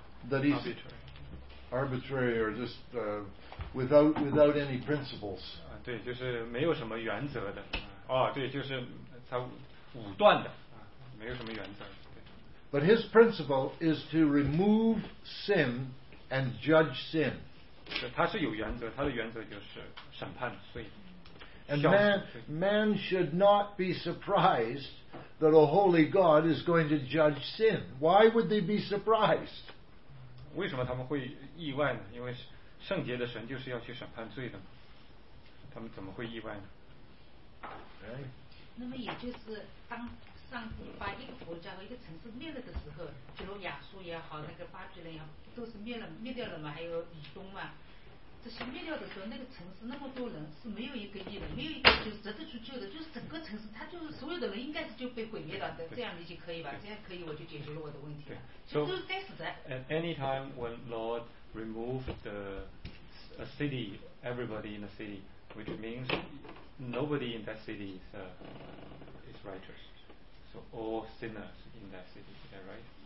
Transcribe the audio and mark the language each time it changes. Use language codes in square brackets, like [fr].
[en] That is arbitrary or just without any principles. [zh] 对，就是没有什么原则的。哦，对，就是他武断的，没有什么原则。 [en] But his principle is to remove sin and judge sin. [zh] 他是有原则，他的原则就是审判罪。 [en] And man should not be surprised that a holy God is going to judge sin. Why would they be surprised? [zh] 为什么他们会意外呢？因为圣洁的神就是要去审判罪的，他们怎么会意外呢？对。那么也就是当上帝把一个国家和一个城市灭了的时候，比如亚述也好，那个巴比伦也好，都是灭掉了嘛，还有以东嘛。这些灭掉的时候，那个城市那么多人是没有一个义的，没有一个就是值得去救的，就是整个城市，他就是所有的人应该是就被毁灭了的，这样理解可以吧？这样可以，我就解决了我的问题了。对，就是该死的。 [en] At any time when Lord removed the a city, everybody in the city, which means nobody in that city is righteous. So all sinners in that city, is that right?